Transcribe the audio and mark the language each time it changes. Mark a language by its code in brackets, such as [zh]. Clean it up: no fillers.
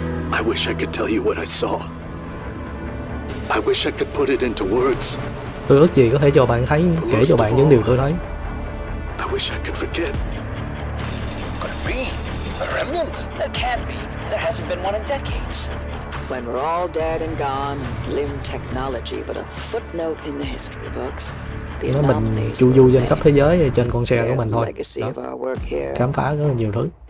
[en] I wish I could tell you what I saw. I wish I could put it into words. [vi] Tôi ước gì có thể cho bạn thấy, kể cho bạn những điều tôi thấy. [en] I wish I could forget. Could it be a remnant? It can't be. There hasn't been one in decades. When we're all dead and gone, limb technology but a footnote in the history books. [vi] Nếu mình chu du trên khắp thế giới trên con xe của mình thôi đó. Khám phá rất nhiều thứ.